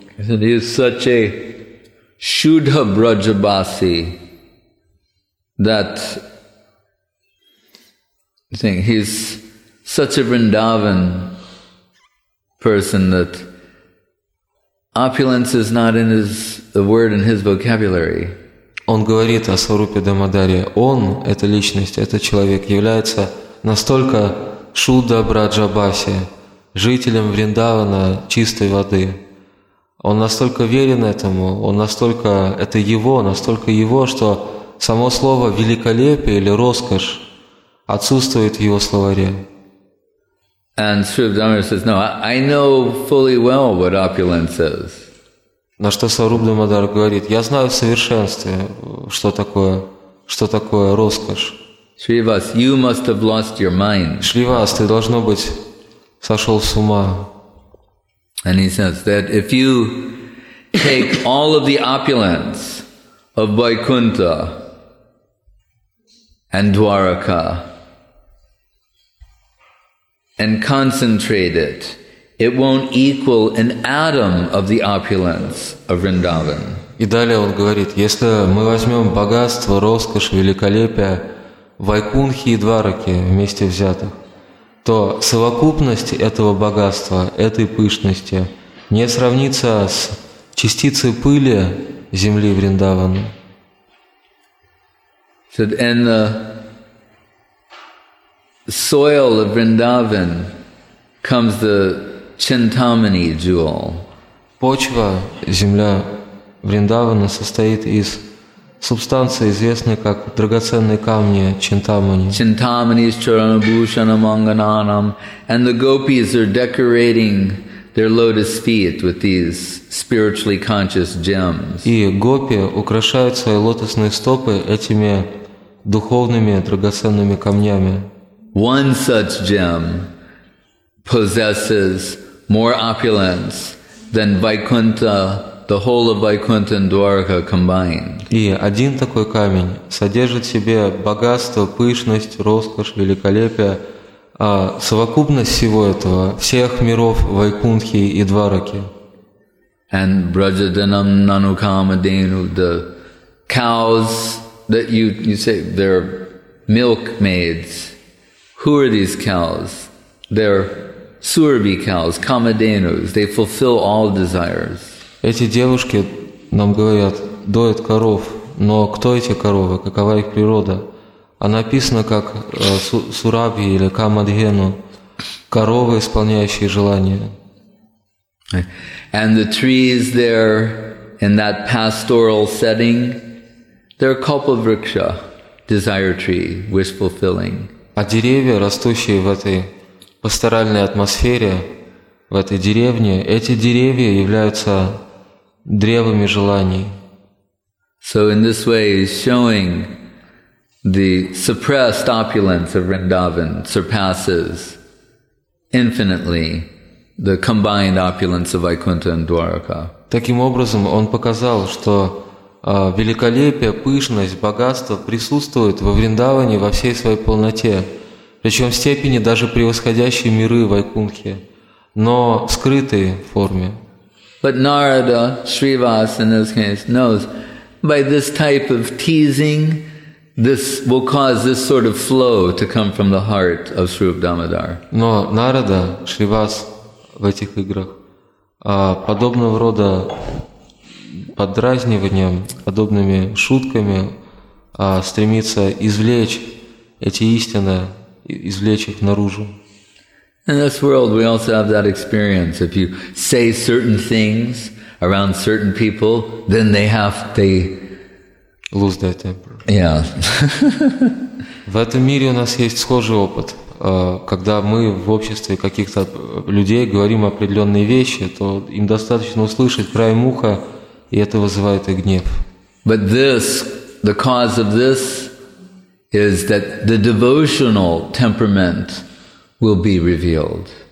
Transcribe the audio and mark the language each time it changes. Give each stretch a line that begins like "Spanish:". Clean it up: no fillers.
English: He is such a shuddha brajabasi that I think he's such a Vrindavan person that opulence is not in the word in his vocabulary.
Russian: Он говорит о Сварупе Дамодаре. Он, эта личность, этот человек, является настолько шуддха брджабаси, жителем Вриндавана чистой воды. Он настолько верен этому, он настолько, это его, настолько его, что само слово «великолепие» или «роскошь» отсутствует в его словаре.
English: And Swarup Damodara says, no, I know fully well what opulence is.
Russian: На что Сваруп Дамодар говорит, я знаю в совершенстве, что такое роскошь.
English: Shrivas, you must have lost your mind.
Russian: Shrivas, ты должно быть сошел с ума.
English: And he says that if you take all of the opulence of Vaikuntha and Dwaraka and concentrate it, it won't equal an atom of the opulence of Vrindavan.
Russian: И далее он говорит, если мы возьмем богатство, роскошь, великолепие Вайкунхи и Двараки вместе взятых, то совокупность этого богатства, этой пышности, не сравнится с частицей пыли земли Вриндавана.
English: And the soil of Vrindavan comes the Chintamani jewel.
Russian: Почва, земля Вриндавана состоит из субстанции, известной как драгоценные камни Чинтамани.
English: Chintamani is Charanabhushana Mangananam, and the gopis are decorating their lotus feet with these spiritually conscious gems.
Russian: И гопи украшают свои лотосные стопы этими духовными драгоценными камнями.
English: One such gem possesses more opulence than Vaikuntha, the whole of Vaikuntha and Dwaraka combined.
Russian: И один такой камень содержит в себе богатство, пышность, роскошь, великолепие, а совокупность всего этого, всех миров Вайкунтхи и Двараки.
English: And Brajadanam Nanukamadenu, the cows that you say they're milkmaids. Who are these cows? They're Surabhi cows, Kamadenus. They fulfill all desires.
Russian: Эти девушки нам говорят, доят коров. Но кто эти коровы? Какова их природа? Она описана как Сурабхи или Камадхену, коровы, исполняющие желания.
English: And the trees there in that pastoral setting, they're Kalpavriksha, desire tree, wish fulfilling.
Russian: А деревья, растущие в этой пасторальной атмосфере, в этой деревне, эти деревья являются древами желаний.
English: So in this way is showing the suppressed opulence of Vrindavan surpasses infinitely the combined opulence of Vaikuntha and Dwaraka.
Russian: Таким образом, он показал, что великолепие, пышность, богатство присутствуют во Вриндаване во всей своей полноте, причем в степени даже превосходящей миры Вайкунхи, но в скрытой форме.
English: But Narada, Shrivas, in this case, knows by this type of teasing, this will cause this sort of flow to come from the heart of Srirupa Damodar.
Russian: Но Нарада, Шривас в этих играх, подобного рода подразниванием, подобными шутками, стремится извлечь эти истины, извлечь их наружу.
English: In this world, we also have that experience. If you say certain things around certain people, then they lose their temper. Yeah.
Russian: В этом мире у нас есть схожий опыт. Когда мы в обществе каких-то людей говорим определенные вещи, то им достаточно услышать краем уха, и это вызывает их гнев.
English: But this, the cause of this, is that the devotional temperament will be revealed.